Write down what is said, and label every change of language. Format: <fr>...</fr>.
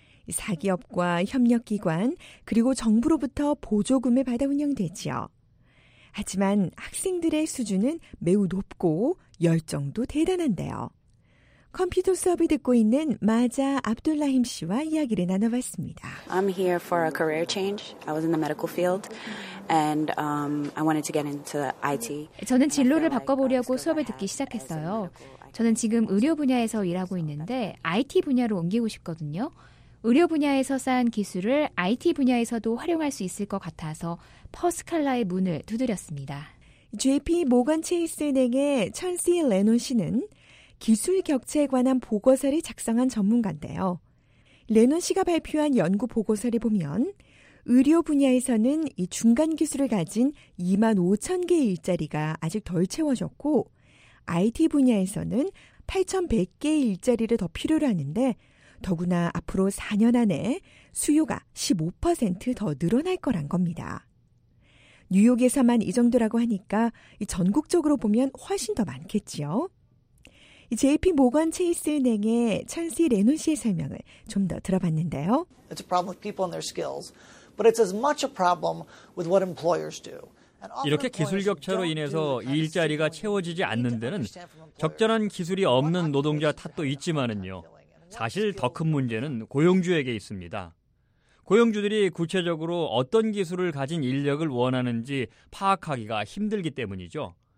<ko>사기업과 협력기관 그리고 정부로부터 보조금을 받아 운영되지요. 하지만 학생들의 수준은 매우 높고 열정도 대단한데요. 컴퓨터 수업을 듣고 있는 마자 압둘라힘 씨와 이야기를 나눠봤습니다.</ko> <en>I'm here for a career change. I was in the medical field and I wanted to get into IT.</en> <ko>저는 진로를 바꿔보려고 수업을 듣기 시작했어요. 저는 지금 의료 분야에서 일하고 있는데 IT 분야로 옮기고 싶거든요. 의료 분야에서 쌓은 기술을 IT 분야에서도 활용할 수 있을 것 같아서 퍼스칼라의 문을 두드렸습니다. JP 모건 체이스은행의 천시 레논 씨는 기술 격차에 관한 보고서를 작성한 전문가인데요. 레논 씨가 발표한 연구 보고서를 보면 의료 분야에서는 이 중간 기술을 가진 2만 5천 개의 일자리가 아직 덜 채워졌고 IT 분야에서는 8,100개의 일자리를 더 필요로 하는데 더구나 앞으로 4년 안에 수요가 15% 더 늘어날 거란 겁니다. 뉴욕에서만 이 정도라고 하니까 전국적으로 보면 훨씬 더 많겠지요. JP 모건 체이스 은행의 찬시 레논 씨의 설명을 좀 더 들어봤는데요.</ko> <en>It's a problem with people and their skills, but it's as much a problem with what employers do.</en> <ko>이렇게 기술 격차로 인해서 일자리가 채워지지 않는 데는 적절한 기술이 없는 노동자 탓도 있지만은요. 사실 더 큰 문제는 고용주에게 있습니다. 고용주들이 구체적으로 어떤 기술을 가진 인력을 원하는지 파악하기가 힘들기 때문이죠.</ko>